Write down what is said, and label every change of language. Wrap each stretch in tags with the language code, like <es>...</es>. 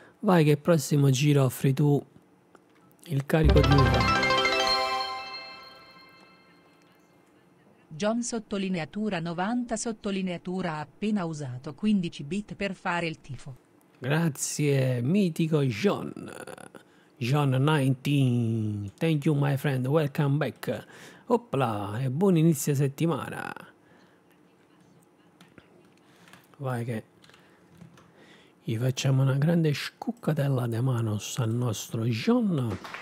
<it>Vai che prossimo giro offri tu il carico di uva. John sottolineatura 90 sottolineatura appena usato 15 bit per fare il tifo. Grazie, mitico John.</it> <en>John 19, thank you my friend, welcome back.</en> <it>Oppla, e buon inizio settimana. Vai che gli facciamo una grande scuccatella de manos al nostro John.</it>